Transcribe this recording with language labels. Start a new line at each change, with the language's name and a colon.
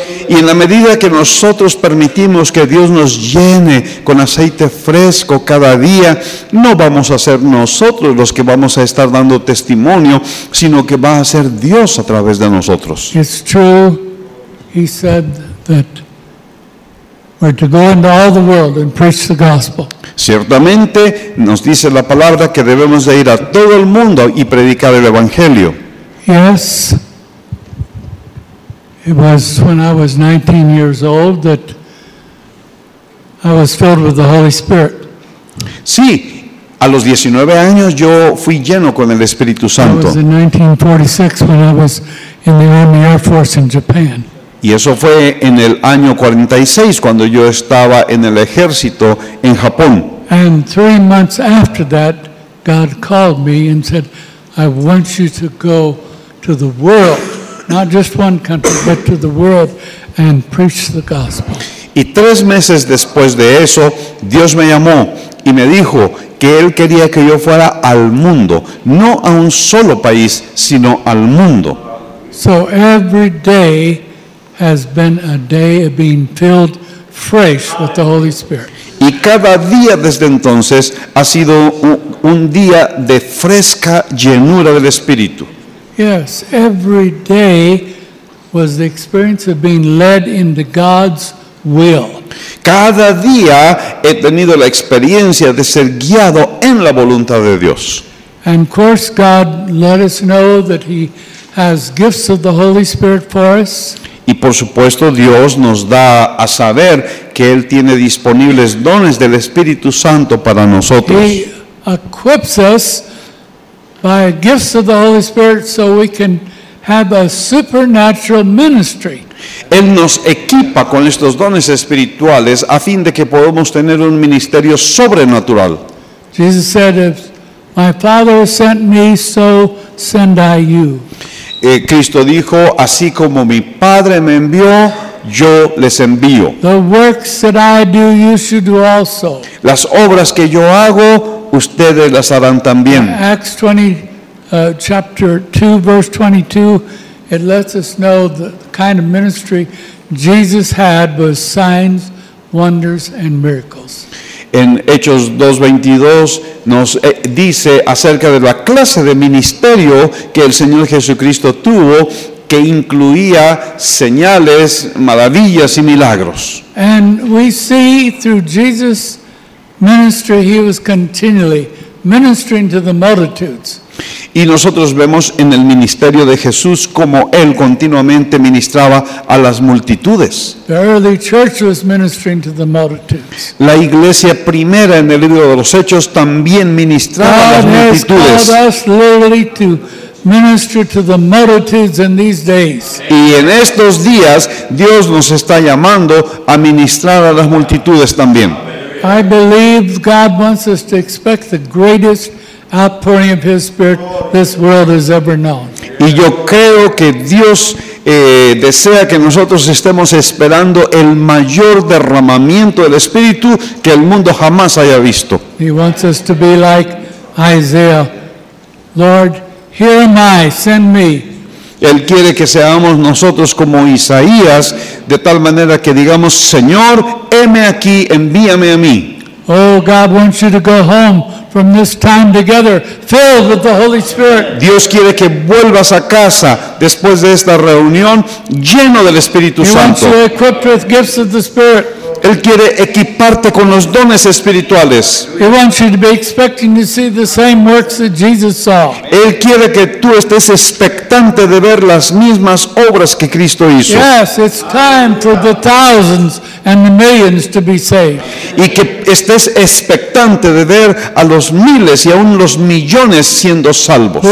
Spanish: Y en la medida que nosotros permitimos que Dios nos llene con aceite fresco cada día, no vamos a ser nosotros los que vamos a estar dando testimonio, sino que va a ser Dios a través de nosotros.
English: It's true, he said, that we're to go into all the world and preach the gospel.
Spanish: Ciertamente nos dice la palabra que debemos de ir a todo el mundo y predicar el evangelio.
English: Yes. It was when I was 19 years old that I was filled with the Holy Spirit.
Spanish: Sí, a los 19 años yo fui lleno con el Espíritu Santo.
English: It was in 1946 when I was in the Army Air Force in Japan.
Spanish: Y eso fue en el año 46 cuando yo estaba en el ejército en Japón.
English: And 3 months after that, God called me and said, I want you to go to the world, not just one country, but to the world, and preach the gospel.
Spanish: Y 3 meses después de eso, Dios me llamó y me dijo que Él quería que yo fuera al mundo, no a un solo país, sino al mundo.
English: So every day has been a day of being filled fresh with the Holy Spirit.
Spanish: Y cada día desde entonces ha sido un día de fresca llenura del Espíritu.
English: Yes, every day was the experience of being led into God's will.
Spanish: Cada día he tenido la experiencia de ser guiado en la voluntad de Dios.
English: And of course God let us know that he has gifts of the Holy Spirit for us.
Spanish: Y por supuesto Dios nos da a saber que Él tiene disponibles dones del Espíritu Santo para nosotros.
English: He equips us by gifts of the Holy Spirit so we can have a supernatural ministry.
Spanish: Él nos equipa con estos dones espirituales a fin de que podamos tener un ministerio sobrenatural.
English: Jesus said, if my Father sent me, so send I you.
Spanish: Cristo dijo, así como mi Padre me envió, yo les envío.
English: The works that I do, you should do also.
Spanish: Las obras que yo hago, ustedes las harán también.
English: Acts 20, chapter 2, verse 22, it lets us know the kind of ministry Jesus had was signs, wonders, and miracles.
Spanish: En Hechos 2:22 nos dice acerca de la clase de ministerio que el Señor Jesucristo tuvo, que incluía señales, maravillas y milagros.
English: And we see through Jesus' ministry, he was continually ministering to the multitudes.
Spanish: Y nosotros vemos en el ministerio de Jesús como él continuamente ministraba a las multitudes.
English: The early church was ministering to the multitudes.
Spanish: La iglesia primera en el libro de los Hechos también ministraba
English: God
Spanish: a las multitudes.
English: God has called us literally to minister to the multitudes in these days.
Spanish: Y en estos días Dios nos está llamando a ministrar a las multitudes también.
English: I believe God wants us to expect the greatest outpouring of his Spirit this world has ever known.
Spanish: Y yo creo que Dios desea que nosotros estemos esperando el mayor derramamiento del Espíritu que el mundo jamás haya visto.
English: He wants us to be like Isaiah. Lord, here am I, send me.
Spanish: Él quiere que seamos nosotros como Isaías, de tal manera que digamos, Señor, heme aquí, envíame a mí.
English: Oh, God wants you to go home from this time together, filled with the Holy Spirit.
Spanish: Dios quiere que vuelvas a casa después de esta reunión lleno del Espíritu Santo.
English: He wants you equipped with gifts of the Spirit.
Spanish: Él quiere equiparte con los dones espirituales.
English: He wants you to be expecting to see the same works that Jesus saw.
Spanish: Él quiere que tú estés expectante de ver las mismas obras que Cristo hizo.
English: Yes, it's time for the thousands and the millions to be saved.
Spanish: Y que estés expectante de ver a los miles y aún los millones siendo salvos.